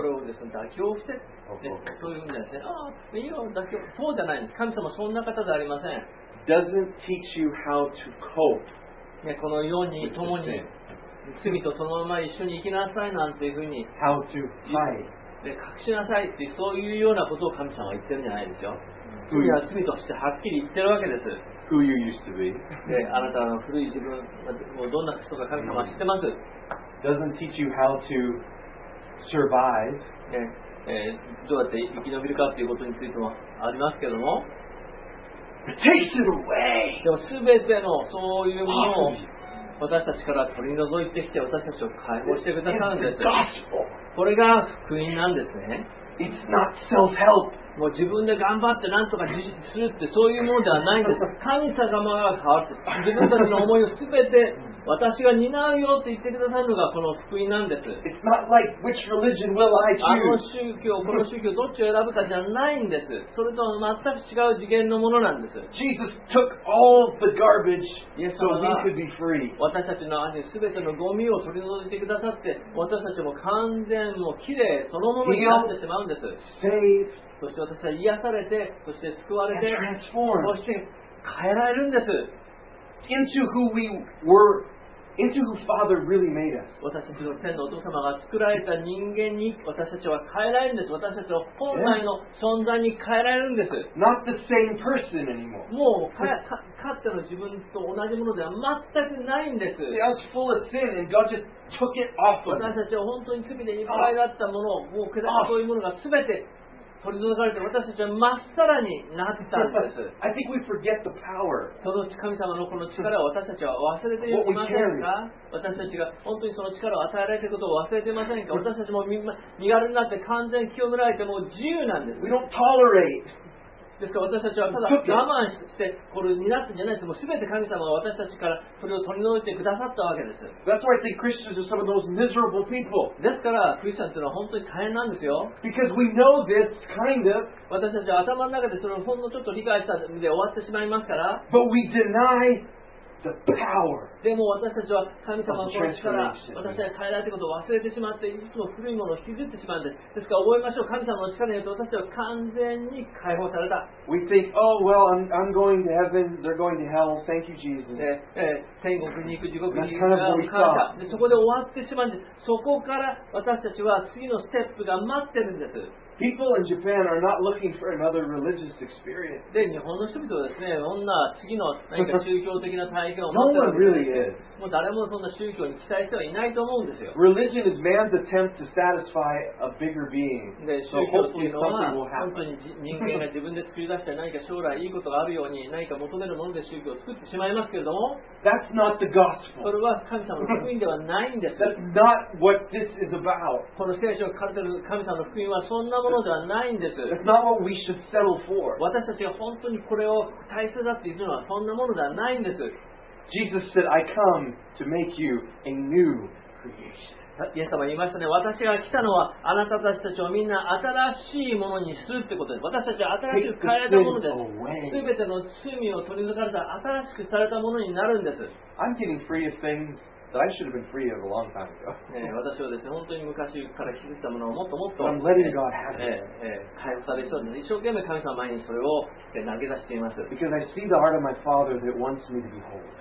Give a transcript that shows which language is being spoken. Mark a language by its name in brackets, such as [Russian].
[Japanese] これをですね、妥協して、そういうふうにですね、ああ、いいよ、妥協、そうじゃないんです。神様はそんな方じゃありません。 [English] Doesn't teach you how to cope. [Japanese] ね、この世に共に罪とそのまま一緒に生きなさいなんていうふうに、 [English] how to fight. [Japanese] で、隠しなさいってそういうようなことを神様は言ってるんじゃないですよ。罪は罪としてはっきり言ってるわけです。 [English] Who you used to be. [Japanese] で、あなたの古い自分、もうどんな人か神様は知ってます。 [English] Doesn't teach you how to survive. [Japanese] どうやって生き延びるかということについてもありますけども。 [English] It takes it away. [Japanese] でも全てのそういうものを私たちから取り除いてきて私たちを解放してくださるんです。これが福音なんですね。 [English] It's not self-help. [Japanese] もう自分で頑張って何とかするってそういうものではないんです。神様が変わって自分たちの思いを全て私が担うよって言ってくださるのがこの福音なんです。 [English] It's not like which religion will I choose. [Japanese] あの宗教、この宗教どっちを選ぶかじゃないんです。それとは全く違う次元のものなんです。 [English] Jesus took all the garbage so we could be free. [Japanese] 私たちの足全てのゴミを取り除いてくださって、私たちも完全もきれい、そのものになってしまうんです。そして私は癒されて、そして救われて、そして変えられるんです。 [English] Into who we were into who Father really made us. [Japanese] 私たちの天のお父様が作られた人間に私たちは変えられるんです。私たちの本来の存在に変えられるんです。 [English] Not the same person anymore. [Japanese] もうかつての自分と同じものでは全くないんです。 [English] I was full of sin and God just took it off of me. [Japanese] 私たちは本当に罪でいっぱいだったものをもうそういうものが全て取り除かれて私たちは真っさらになったんです。 [English] I think we forget the power. [Japanese] その神様のこの力を私たちは忘れていませんか？私たちが本当にその力を与えられていることを忘れていませんか？私たちも身軽になって完全に清められてもう自由なんです。 [English] We don't tolerate. [Japanese] ですから私たちはただ我慢してこれになったんじゃないです。もう全て神様が私たちからそれを取り除いてくださったわけです。 [English] That's why I think Christians are some of those miserable people. [Japanese] ですからクリスチャンというのは本当に大変なんですよ。 [English] Because we know this kind of. [Japanese] 私たちは頭の中でそれをほんのちょっと理解したんで終わってしまいますから。 [English] But we deny the power. [Japanese] でも私たちは神様の力、私たちは変えられることを忘れてしまって、いつも古いものを引きずってしまうんです。ですから覚えましょう。神様の力によって私たちは完全に解放された。 [English] We think, oh well, I'm going to heaven, they're going to hell, thank you, Jesus. [Japanese] 天国に行く、地獄に行く、感謝。で、そこで終わってしまうんです。そこから私たちは次のステップが待ってるんです。 [English] People in Japan are not looking for another religious experience. [Japanese] で、日本の人々はですね、そんな次の何か宗教的な体験を待って [English] る。No one really is. [Japanese] もう誰もそんな宗教に期待してはいないと思うんですよ。 [English] Religion is man's attempt to satisfy a bigger being. [Japanese] で、宗教というのは本当に人間が自分で作り出して何か将来いいことがあるように何か求めるもので宗教を作ってしまいますけれども。 [English] That's not the gospel. [Japanese] それは神様の福音ではないんです。 [English] That's not what this is about. [Japanese] この聖書を書いてる神様の福音はそんなものではないんです。 [English] It's not what we should settle for. [Japanese] 私たちが本当にこれを大切だって言うのはそんなものではないんです。 [English] Jesus said, I come to make you a new creation. [Japanese] イエス様言いましたね。私が来たのはあなたたちをみんな新しいものにするってことです。私たちは新しく変えられたものです。すべての罪を取り除かれた新しくされたものになるんです。 [English] I'm getting free of things that I should have been free of a long time ago. [Japanese] 私はですね、本当に昔から引きずったものをもっともっと、 [English] so、I'm letting God have it. [Japanese] 解放されそうです。一生懸命神様前にそれを投げ出しています。 [English] Because I see the heart of my Father that wants me to be whole.